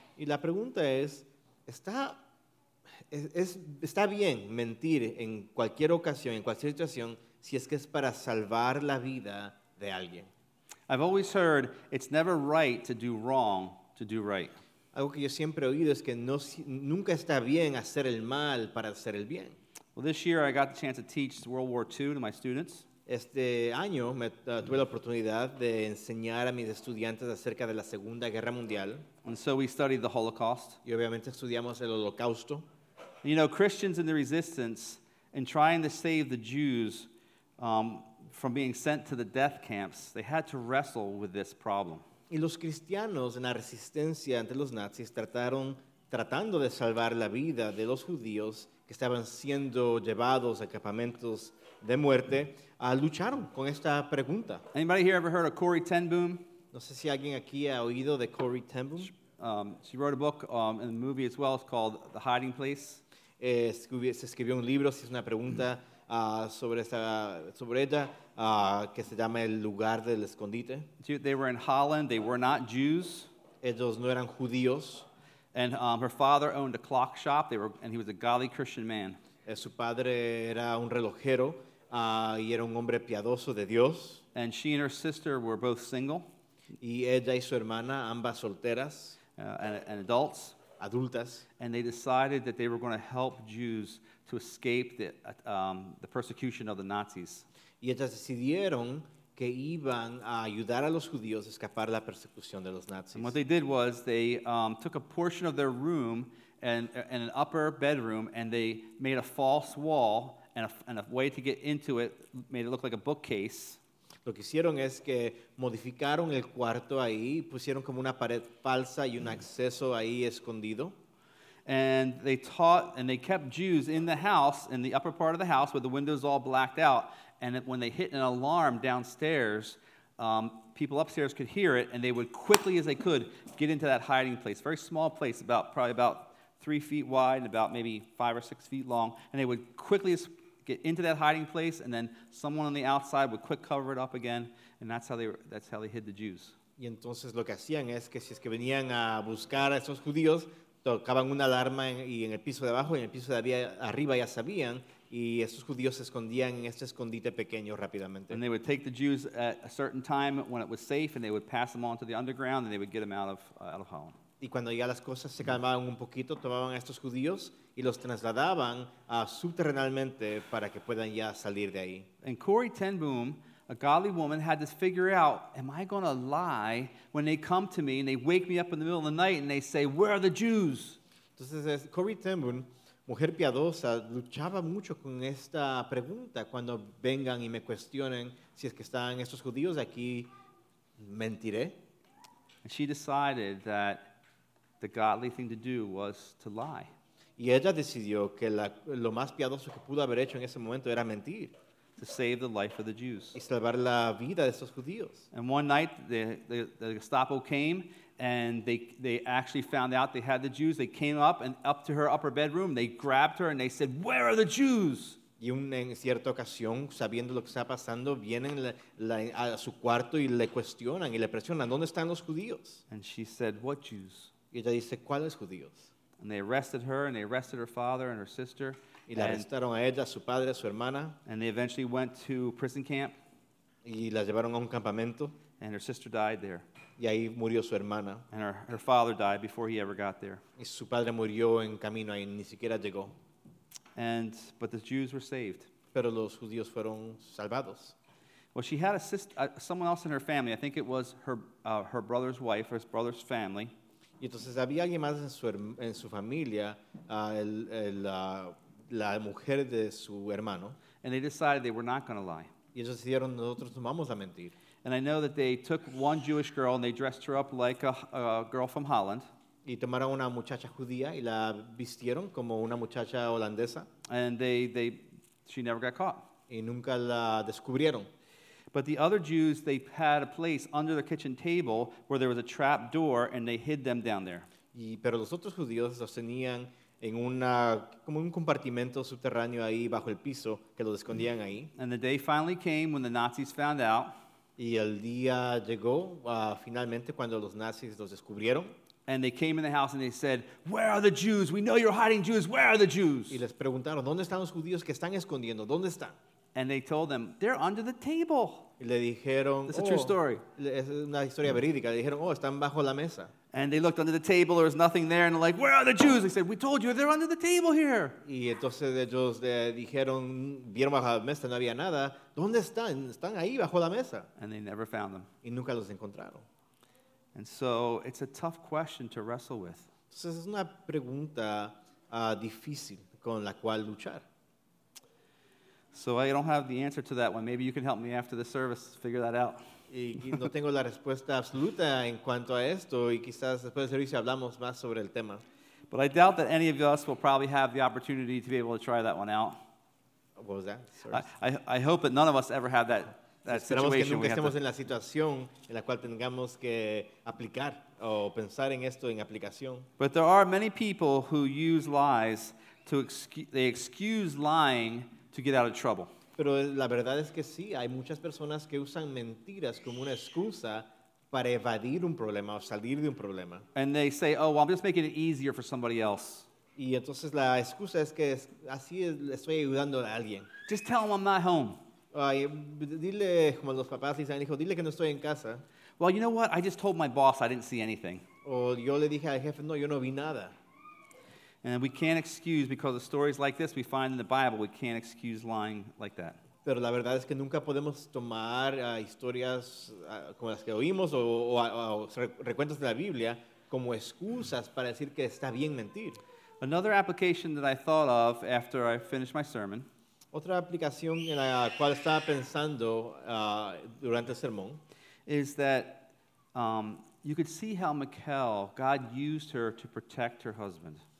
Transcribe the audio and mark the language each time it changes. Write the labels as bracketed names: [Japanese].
[Spanish] Y la pregunta es, ¿está bien mentir en cualquier ocasión, en cualquier situación, si es que es para salvar la vida de alguien? [English] I've always heard it's never right to do wrong to do right. [Spanish] Algo que yo siempre he oído es que nunca está bien hacer el mal para hacer el bien. [English] Well, this year I got the chance to teach World War II to my students. [Spanish] Este año me tuve la oportunidad de enseñar a mis estudiantes acerca de la Segunda Guerra Mundial. [English] And so we studied the Holocaust. [Spanish] Y obviamente estudiamos el Holocausto. [English] You know, Christians in the resistance and trying to save the Jews from being sent to the death camps, they had to wrestle with this problem. [Spanish] Y los cristianos en la resistencia ante los nazis tratando de salvar la vida de los judíos que estaban siendo llevados a campamentos de muerte, lucharon con esta pregunta. [English] Anybody here ever heard of Corrie Ten Boom? [Spanish] No sé si alguien aquí ha oído de Corrie Ten Boom. [English] She wrote a book and a movie as well. It's called The Hiding Place. [Spanish] Se escribió un libro, si es una pregunta, sobre ella, que se llama El Lugar del Escondite. [English] They were in Holland. They were not Jews. [Spanish] Ellos no eran judíos. [English] And her father owned a clock shop. And he was a godly Christian man. [Spanish] Su padre era un relojero, y era un hombre piadoso de Dios. [English] And she and her sister were both single. [Spanish] Y ella y su hermana, ambas solteras, [English] and adults. [Spanish] Adultas. [English] And they decided that they were going to help Jews to escape the persecution of the Nazis. [Spanish] Y ellas decidieron que iban a ayudar a los judíos a escapar de la persecución de los nazis. [English] And what they did was they took a portion of their room and an upper bedroom, and they made a false wall and a way to get into it, made it look like a bookcase. [Spanish] Lo que hicieron es que modificaron el cuarto ahí, pusieron como una pared falsa y un acceso ahí escondido. [English] And they taught and they kept Jews in the house, in the upper part of the house with the windows all blacked out. And when they hit an alarm downstairs, people upstairs could hear it, and they would quickly as they could get into that hiding place. Very small place, about probably about 3 feet wide and about maybe 5 or 6 feet long, and they would quickly get into that hiding place, and then someone on the outside would quick cover it up again, and that's how they hid the Jews. [Spanish] Y entonces lo que hacían es que si es que venían a buscar a esos judíos, tocaban una alarma en el piso de abajo, y en el piso de arriba ya sabían, y esos judíos se escondían en este escondite pequeño rápidamente. [English] And they would take the Jews at a certain time when it was safe, and they would pass them on to the underground, and they would get them out of Holland. [Spanish] Y cuando ya las cosas se calmaban un poquito, tomaban a estos judíos y los trasladaban subterrenalmente para que puedan ya salir de ahí. [English] And Corrie Ten Boom, a godly woman, had to figure out, am I going to lie when they come to me and they wake me up in the middle of the night and they say, where are the Jews? [Spanish] Entonces, Corrie Ten Boom, mujer piadosa, luchaba mucho con esta pregunta cuando vengan y me cuestionen si es que están estos judíos aquí, ¿mentiré? [English] And she decided that the godly thing to do was to lie. [Spanish] Y ella decidió que lo más piadoso que pudo haber hecho en ese momento era mentir. [English] To save the life of the Jews. [Spanish] Y salvar la vida de esos judíos. [English] And one night the Gestapo came and they actually found out they had the Jews. They came up to her upper bedroom. They grabbed her and they said, "Where are the Jews?" [Spanish] Y en cierta ocasión, sabiendo lo que está pasando, vienen a su cuarto y le cuestionan y le presionan, "¿Dónde están los judíos?" [English] And she said, "What Jews?" [Spanish] Y ella dice, ¿cuáles judíos? [English] And they arrested her, and they arrested her father and her sister. [Spanish] Y la arrestaron a ella, su padre, su hermana. [English] And they eventually went to prison camp. [Spanish] Y la llevaron a un campamento. [English] And her sister died there. [Spanish] Y ahí murió su hermana. [English] And her father died before he ever got there. [Spanish] Y su padre murió en camino ahí, ni siquiera llegó. [English] But the Jews were saved. [Spanish] Pero los judíos fueron salvados. [English] Well, she had a sister, someone else in her family. I think it was her brother's wife, or his brother's family. [Spanish] Y entonces había alguien más en su familia, la mujer de su hermano. [English] And they decided they were not going to lie. [Spanish] Y ellos decidieron, nosotros no vamos a mentir. [English] And I know that they took one Jewish girl and they dressed her up like a girl from Holland. [Spanish] Y tomaron una muchacha judía y la vistieron como una muchacha holandesa. [English] And she never got caught. [Spanish] Y nunca la descubrieron. [English] But the other Jews, they had a place under the kitchen table where there was a trap door, and they hid them down there. [Spanish] Y pero los otros judíos los tenían en una como un compartimento subterráneo ahí bajo el piso que los escondían ahí. [English] And the day finally came when the Nazis found out. [Spanish] Y el día llegó finalmente cuando los nazis los descubrieron. [English] And they came in the house and they said, "Where are the Jews? We know you're hiding Jews. Where are the Jews?" [Spanish] Y les preguntaron, "¿Dónde están los judíos que están escondiendo? ¿Dónde están?" [English] And they told them, "They're under the table." [Spanish] Y le dijeron, [English] it's a true story. [Spanish] Es una historia verídica. Le dijeron, están bajo la mesa. [English] And they looked under the table. There was nothing there. And they're like, "Where are the Jews?" They said, "We told you, they're under the table here." [Spanish] Y entonces ellos dijeron, vieron bajo la mesa, no había nada. ¿Dónde están? Están ahí bajo la mesa. [English] And they never found them. [Spanish] Y nunca los encontraron. [English] And so it's a tough question to wrestle with. [Spanish] Entonces es una pregunta difícil con la cual luchar. [English] So I don't have the answer to that one. Maybe you can help me after the service figure that out. [Spanish] Y no tengo la respuesta absoluta en cuanto a esto, y quizás después del servicio hablamos más sobre el tema. [English] But I doubt that any of us will probably have the opportunity to be able to try that one out. What was that? I hope that none of us ever have that situation. [Spanish] Esperamos que nunca estemos en la situación en la cual tengamos que aplicar o pensar en esto en aplicación. [English] But there are many people who use lies to they excuse lying to get out of trouble. [Spanish] Pero la verdad es que sí, hay muchas personas que usan mentiras como una excusa para evadir un problema o salir de un problema. [English] And they say, "Oh, well, I'm just making it easier for somebody else." [Spanish] Y entonces la excusa es que así estoy ayudando a alguien. [English] Just tell them I'm not home. [Spanish] Dile como los papás dicen al hijo, dile que no estoy en casa. [English] Well, you know what? I just told my boss I didn't see anything. [Spanish] O yo le dije al jefe, no, yo no vi nada. [English] And we can't excuse, because of stories like this we find in the Bible, we can't excuse lying like that. [Spanish] Pero la verdad es que nunca podemos tomar historias como las que oímos o recuentos de la Biblia como excusas para decir que está bien mentir. [English] Another application that I thought of after I finished my sermon. [Spanish] Otra aplicación en la cual estaba pensando durante el sermón [English] is that you could see how Mikkel, God used her to protect her husband.